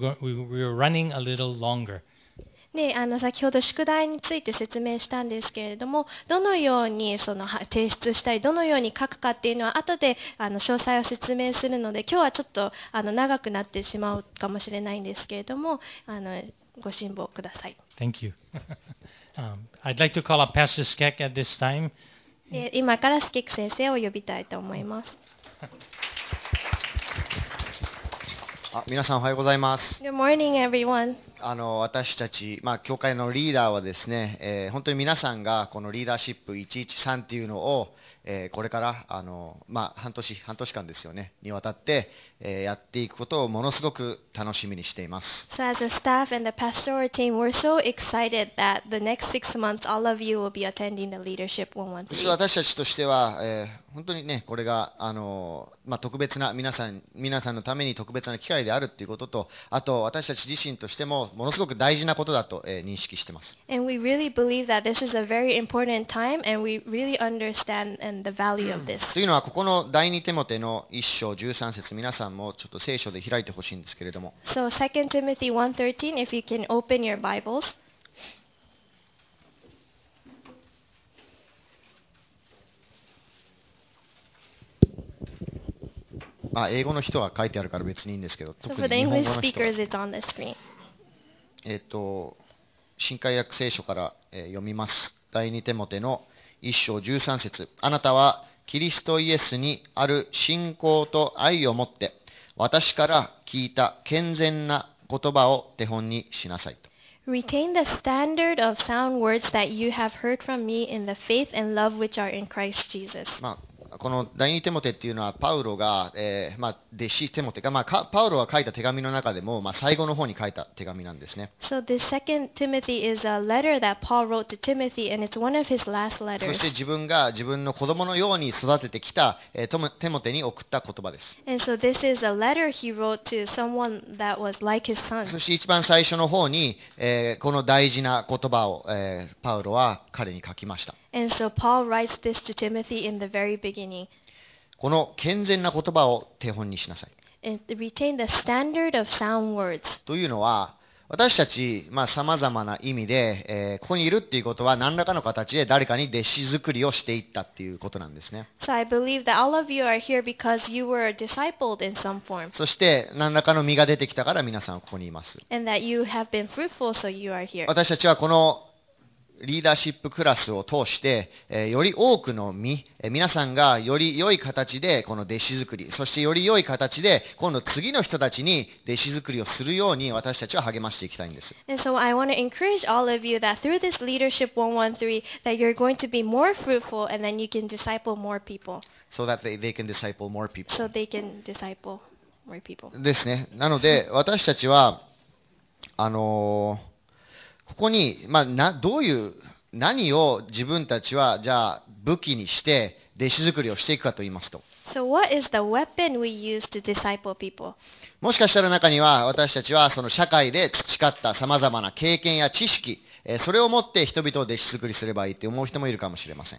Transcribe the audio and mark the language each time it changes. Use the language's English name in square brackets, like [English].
[English] We're running a little longer. [Japanese] ね、あの先ほど宿題について説明したんですけれども、どのようにその提出したりどのように書くかっていうのは後であの詳細を説明するので、今日はちょっとあの長くなってしまうかもしれないんですけれども、あのご辛抱ください。 [English] Thank you. I'd like to call up Pastor Skek at this time. [Japanese] 今からスケック先生を呼びたいと思います。あ、皆さんおはようございます。 [English] Good morning, everyone. [Japanese] あの私たち、まあ、教会のリーダーはですね、本当に皆さんがこのリーダーシップ113っていうのを、これからあの、まあ、半年間ですよねにわたって、やっていくことをものすごく楽しみにしています。 [English] So as the staff and the pastoral team, we're so excited that the next six months, all of you will be attending the leadership 113. [Japanese] 実は私たちとしては、本当にね、これがあの、まあ、特別な皆さんのために特別な機会であるということと、あと私たち自身としてもものすごく大事なことだと、認識しています。 [English] And we really believe that this is a very important time, and we really understand and the value of this. [Japanese] というのは、ここの第二テモテの一章十三節、皆さんもちょっと聖書で開いてほしいんですけれども。 [English] So 2 Timothy 1:13, if you can open your Bibles. [Japanese] あ、英語の人は書いてあるから別にいいんですけど、特に日本語の人は。 [English] So for the English speakers, it's on the screen. [Japanese] 新改訳聖書から、読みます。第二テモテの一章十三節。あなたはキリストイエスにある信仰と愛を持って、私から聞いた健全な言葉を手本にしなさいと。 [English] Retain the standard of sound words that you have heard from me in the faith and love which are in Christ Jesus.、 [Japanese] まあこの第二テモテっていうのはパウロが、まあ、弟子テモテが、まあ、パウロが書いた手紙の中でも、まあ、最後の方に書いた手紙なんですね。 [English] So this second Timothy is a letter that Paul wrote to Timothy, and it's one of his last letters. [Japanese] そして自分が自分の子供のように育ててきた、テモテに送った言葉です。 [English] And so this is a letter he wrote to someone that was like his son. [Japanese] そして一番最初の方に、この大事な言葉を、パウロは彼に書きました。 [English] And so Paul writes this to Timothy in the very beginning. [Japanese] この健全な言葉を手本にしなさい。 [English] And retain the standard of sound words. [Japanese] というのは、私たち、まあ、様々な意味で、ここにいるっていうことは、何らかの形で誰かに弟子作りをしていったっていうことなんですね。 [English] So I believe that all of you are here because you were discipled in some form. [Japanese] そして、何らかの実が出てきたから皆さんここにいます。 [English] And that you have been fruitful, so you are here. [Japanese] 私たちはこのリーダーシップクラスを通して、より多くの身、皆さんがより良い形でこの弟子作り、そしてより良い形で今度次の人たちに弟子作りをするように私たちは励ましていきたいんです。 [English] And so I want to encourage all of you that through this leadership 113 that you're going to be more fruitful and then you can disciple more people. So that they can disciple more people. So they can disciple more people. [Japanese] ですね。なので私たちはここに、まあ、何を自分たちはじゃあ武器にして弟子作りをしていくかと言いますと。 [English] So what is the weapon we use to disciple people? [Japanese] もしかしたら中には私たちはその社会で培った様々な経験や知識、それを持って人々を弟子作りすればいいって思う人もいるかもしれません。